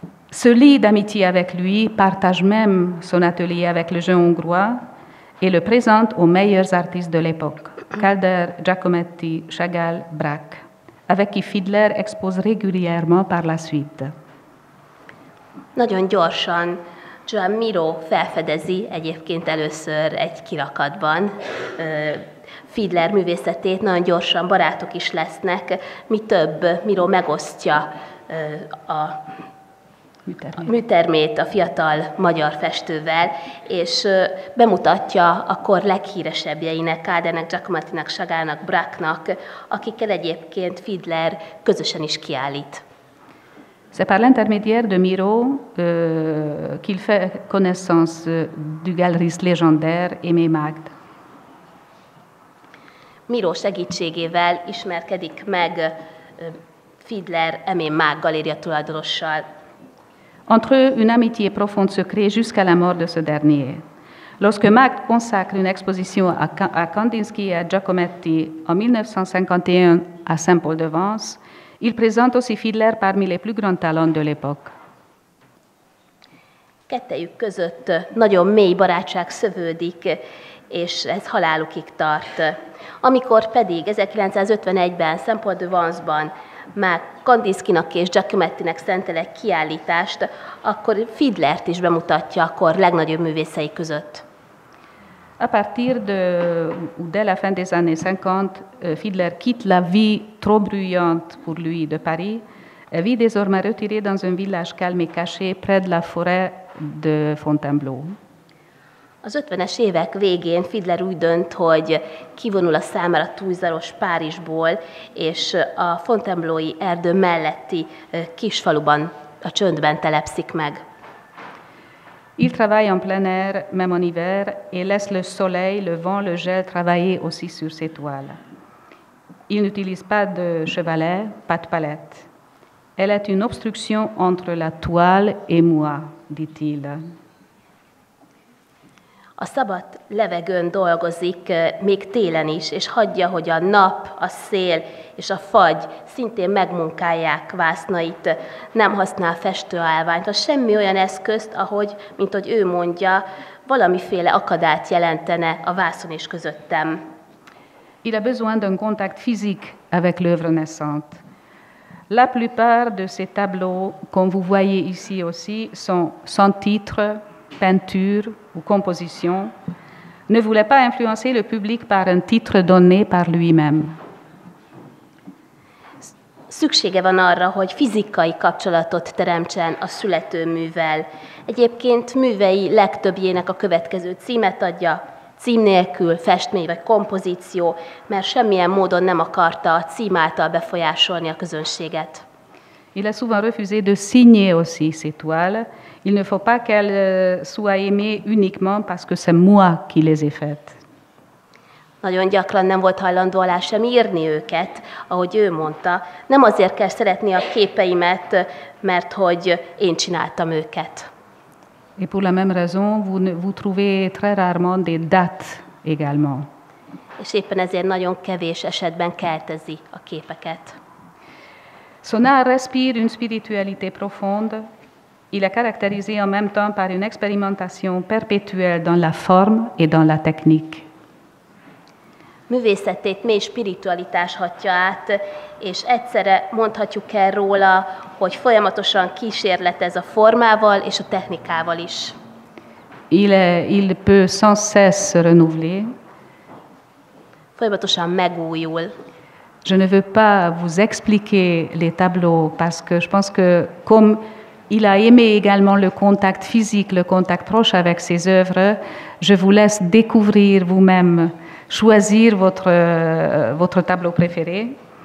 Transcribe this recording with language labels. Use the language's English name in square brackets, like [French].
[French] Se lie d'amitié avec lui, partage même son atelier avec le jeune Hongrois et le présente aux meilleurs artistes de l'époque, Calder, Giacometti, Chagall, Braque, avec qui Fidler expose régulièrement par la suite. [Hungarian] Nagyon gyorsan Joan Miró felfedezi egyébként először egy kirakatban Fidler művészetét, nagyon gyorsan barátok is lesznek, mi több Miró megosztja a műtermét a fiatal magyar festővel, és bemutatja akkor leghíresebbjeinek, Kádernek, Giacomettinek, Chagallnak, Braque-nak, akikkel egyébként Fidler közösen is kiállít. [French] C'est par l'intermédiaire de Miró qu'il fait connaissance du galeriste légendaire Aimé Magde. [Hungarian] Miró segítségével ismerkedik meg Fidler Aimé Magde galéria tulajdonossal. [French] Entre eux, une amitié profonde se crée jusqu'à la mort de ce dernier. Lorsque Magde consacre une exposition à Kandinsky et à Giacometti en 1951 à Saint-Paul-de-Vence, il présente aussi Fidler parmi les plus grands talents de l'époque. [Hungarian] Kettejük között nagyon mély barátság szövődik, és ez halálukig tart. Amikor pedig 1951-ben Saint-Paul-de-Vence-ban már Kandinskynak és Giacomettinek szentel egy kiállítást, akkor Fidlert is bemutatja akkor legnagyobb művészei között. [French] À partir de ou dès la fin des années 50, Fidler quitte la vie trop bruyante pour lui de Paris et vit désormais retiré dans un village calme et caché près de la forêt de Fontainebleau. [Hungarian] Az 50-es évek végén Fidler úgy dönt, hogy kivonul a számára túlzaros Párizsból, és a Fontainebleau-i erdő melletti kis faluban, a csöndben telepszik meg. [French] Il travaille en plein air, même en hiver, et laisse le soleil, le vent, le gel travailler aussi sur ses toiles. Il n'utilise pas de chevalet, pas de palette. Elle est une obstruction entre la toile et moi, dit-il. [Hungarian] A szabad levegőn dolgozik még télen is, és hagyja, hogy a nap, a szél és a fagy szintén megmunkálják vásznait. Nem használ festőállványt, a semmi olyan eszközt, ahogy, mint hogy ő mondja, valamiféle akadályt jelentene a vászon és közöttem. [French] Il a besoin d'un contact physique avec l'œuvre naissante. La plupart de ces tableaux, comme vous voyez ici aussi, sont sans titre, peinture ou composition, ne voulait pas influencer le public par un titre donné par lui-même. [Hungarian] szüksége van arra, hogy fizikai kapcsolatot teremtsen a születőművel. Egyébként művei legtöbbjének a következő címet adja, cím nélkül, festmény vagy kompozíció, mert semmilyen módon nem akarta a cím által befolyásolni a közönséget. [French] Il a souvent refusé de signer aussi ses toiles. Il ne faut pas qu'elles soient aimées uniquement parce que c'est moi qui les ai faites. [Hungarian] Nagyon gyakran nem volt hajlandó alá sem írni őket, ahogy ő mondta. Nem azért kell szeretni a képeimet, mert hogy én csináltam őket. [French] Et pour la même raison, vous trouvez très rarement des dates également. [Hungarian] És éppen ezért nagyon kevés esetben keltezi a képeket. [French] Son art respire une spiritualité profonde. Il est caractérisé en même temps par une expérimentation perpétuelle dans la forme et dans la technique. [Hungarian] Művészetét mély spiritualitás hatja át, és egyszerre mondhatjuk el róla, hogy folyamatosan kísérletez a formával és a technikával is. [French] Il peut sans cesse se renouveler. [Hungarian] Folyamatosan megújul. [French] Je ne veux pas vous expliquer les tableaux parce que je pense que comme il a aimé également le contact physique, le contact proche avec ses œuvres, je vous laisse découvrir vous-même, choisir votre tableau préféré.